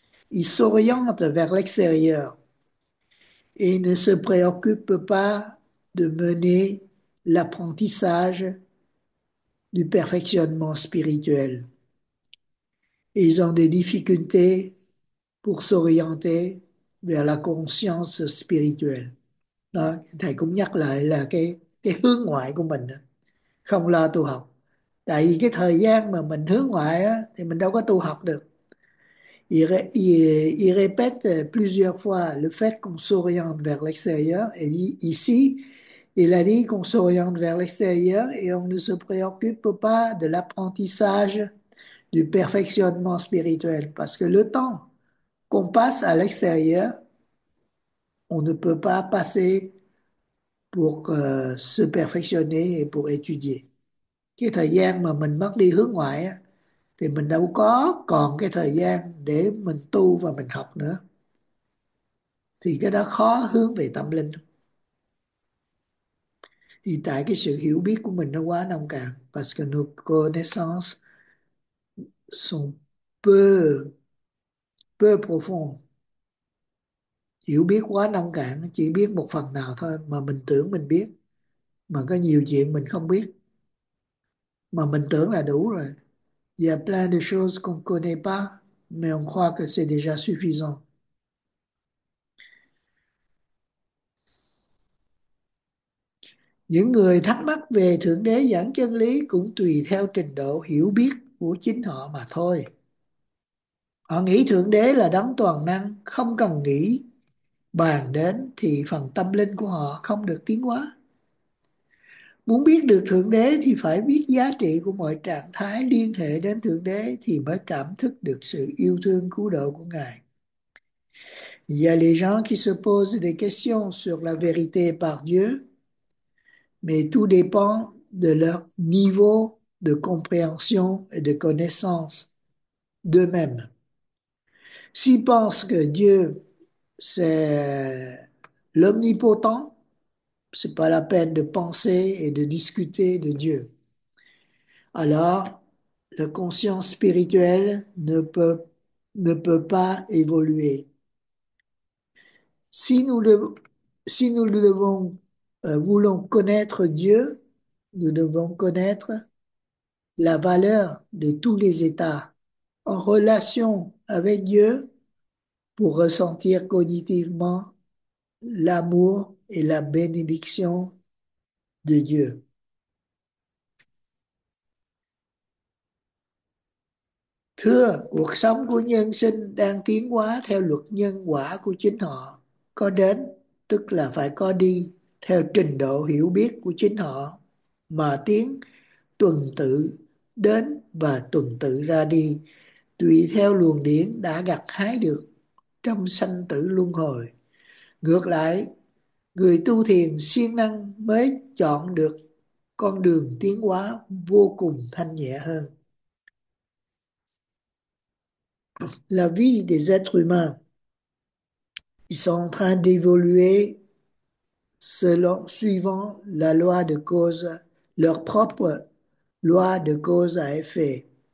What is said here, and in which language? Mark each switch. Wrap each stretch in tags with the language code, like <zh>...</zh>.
<fr>Ils s'orientent vers l'extérieur et ne se préoccupent pas de mener l'apprentissage du perfectionnement spirituel. Ils ont des difficultés pour s'orienter vers la conscience spirituelle.</fr> <vi>Đó, thầy cũng nhắc lại là cái hướng ngoại của mình, không lo tu học. Tại vì cái thời gian mà mình hướng ngoại á, thì mình đâu có tu học được.</vi> <fr>Il répète plusieurs fois le fait qu'on s'oriente vers l'extérieur. Et ici, il a dit qu'on s'oriente vers l'extérieur et on ne se préoccupe pas de l'apprentissage du perfectionnement spirituel. Parce que le temps qu'on passe à l'extérieur, on ne peut pas passer pour se perfectionner et pour étudier.</fr> <vi>Cái thời gian mà mình mất đi hướng ngoại á, thì mình đâu có còn cái thời gian để mình tu và mình học nữa. Thì cái đó khó hướng về tâm linh. Thì tại cái sự hiểu biết của mình nó quá nông cạn.</vi> <fr>Parce que nos connaissances sont peu, peu profondes.</fr> <vi>Hiểu biết quá nông cạn, chỉ biết một phần nào thôi mà mình tưởng mình biết. Mà có nhiều chuyện mình không biết. Mà mình tưởng là đủ rồi.</vi> <fr>Il y a plein de choses qu'on ne connaît pas, mais on croit que c'est déjà suffisant.</fr> <vi>Những người thắc mắc về Thượng Đế giảng chân lý cũng tùy theo trình độ hiểu biết của chính họ mà thôi. Họ nghĩ Thượng Đế là đấng toàn năng, không cần nghĩ bàn đến thì phần tâm linh của họ không được tiến hóa. Muốn biết được Thượng Đế thì phải biết giá trị của mọi trạng thái liên hệ đến Thượng Đế thì mới cảm thức được sự yêu thương cứu độ của Ngài.</vi> <fr>Y a les gens qui se posent des questions sur la vérité par Dieu, mais tout dépend de leur niveau de compréhension et de connaissance d'eux-mêmes. S'ils pensent que Dieu, c'est l'omnipotent, ce n'est pas la peine de penser et de discuter de Dieu. Alors, la conscience spirituelle ne peut pas évoluer. Si nous voulons connaître Dieu, nous devons connaître la valeur de tous les états en relation avec Dieu pour ressentir cognitivement l'amour et la bénédiction de Dieu.</fr> <vi>Thưa, cuộc sống của nhân sinh đang tiến hóa theo luật nhân quả của chính họ. Có đến, tức là phải có đi, theo trình độ hiểu biết của chính họ, mà tiến tuần tự đến và tuần tự ra đi, tùy theo luồng điển đã gặt hái được trong sanh tử luân hồi. Ngược lại, người tu thiền siêng năng mới chọn được con đường tiến hóa vô cùng thanh nhẹ hơn.</vi> <fr>La vie des êtres humains, ils sont en train d'évoluer suivant la loi de cause, leur propre loi de cause à effet.</fr>